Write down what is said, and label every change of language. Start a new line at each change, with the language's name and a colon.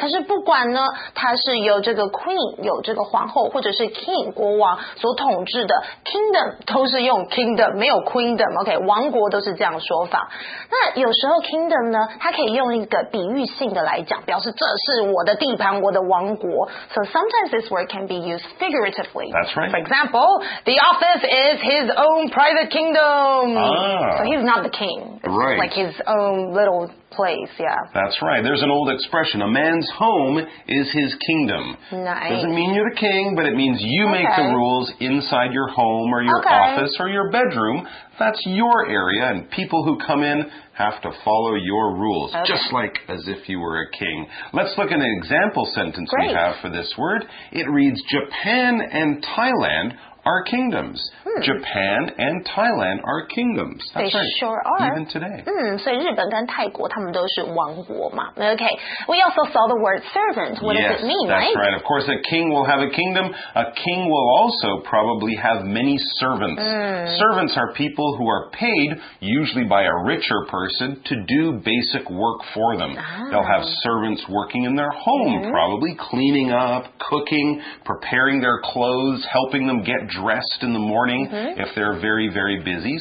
Chinese: 可是不管呢，它是由这个 Queen 有这个皇后，或者是 King 国王所统治的 Kingdom 都是用 Kingdom， 没有 Queendom， OK， 王国都是这样说法。那有时候 Kingdom 呢，它可以用一个比喻性的来讲，表示这是我的地盘，我的王国。
English: So sometimes this word can be used figuratively. That's right. For example, the office is his own private kingdom. Ah, so he's not the king. Right. Like his own little place, yeah. That's right. There's an old expression, a man's home is his kingdom. Nice. Doesn't mean you're the king, but it means you make the rules inside your home or your office or your bedroom. That's your area, and people who come in have to follow your rules, just like as if you were a king. Let's look at an example sentence we have for this word. It reads, Japan and Thailand are kingdoms. Japan and Thailand are kingdoms. That's right. They sure are. Even today. So
Chinese: 日本跟泰国他们都是王国嘛。
English: Okay. We also saw the word servant. What does it mean, right? That's right. Of course, a king will have a kingdom. A king will also probably have many servants. Servants are people who are paid, usually by a richer person, to do basic work for them. They'll have servants working in their home, probably cleaning up, cooking, preparing their clothes, helping them get dressed in the morning if they're very, very busy.